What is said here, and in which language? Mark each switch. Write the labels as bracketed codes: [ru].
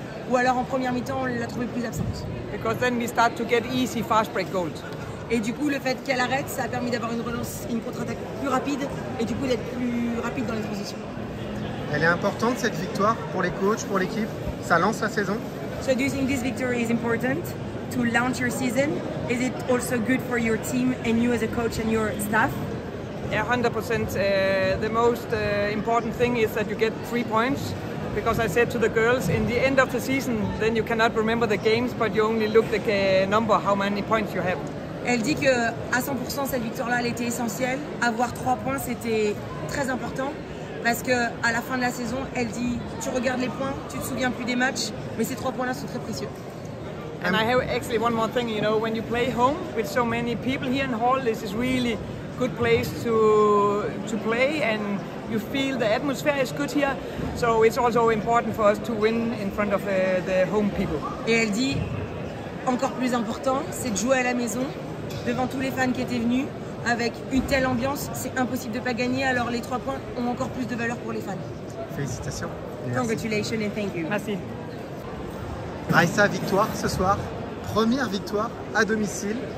[fr] Ou alors en première mi-temps on l'a trouvé plus absente. [en] Because then we start to get easy fast break goals. [fr] Et du coup le fait qu'elle arrête ça a permis d'avoir une relance, une contre-attaque plus rapide et du coup d'être plus rapide dans les transitions. Elle est importante cette victoire pour les coachs, pour l'équipe. Ça lance la saison. [en] So do you think this victory is important to launch your season? Is it also good for your team and you as a coach and your staff? Yeah, 100%. The most important thing is that you get 3 points. Because I said to the girls, in the end of the season, then you cannot remember the games, but you only look the number, how many points you have. [fr] Elle dit que à 100% cette victoire-là, elle était essentielle. Avoir 3 points, c'était très important. Parce qu'à la fin de la saison, elle dit, tu regardes les points, tu ne te souviens plus des matchs, mais ces 3 points-là sont très précieux. [en] And I have actually one more thing, you know, when you play home with so many people here in Hall, this is really a good place to play and you feel the atmosphere is good here. So it's also important for us to win in front of the home people. [fr] Et elle dit, encore plus important, c'est de jouer à la maison devant tous les fans qui étaient venus. Avec une telle ambiance, c'est impossible de pas gagner, alors les 3 points ont encore plus de valeur pour les fans. Félicitations. [en] Merci. Congratulations and thank you. [fr] Merci. Raissa, victoire ce soir. Première victoire à domicile.